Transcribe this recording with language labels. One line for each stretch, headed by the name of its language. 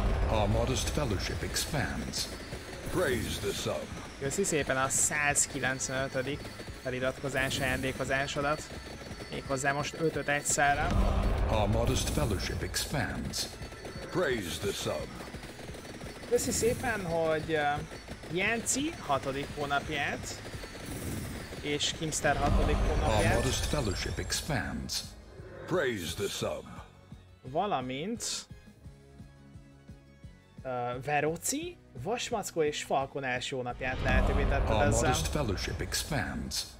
English: Our modest fellowship expands. Praise the sub.
Hungarian: Köszi szépen a 195. feliratkozás ajándékozásodat. Méghozzá most 5-öt egyszerre.
English: Our modest fellowship expands. Praise the sub.
Hungarian: Köszi szépen, hogy Jánci 6. hónapját és Kimster 6. hónapját.
English: Our modest fellowship expands. Praise the sub.
Hungarian: Valamint Veroci, Vasmackó és Falkon első napját lehetővé tetted ezzel.
English: Our modest fellowship expands.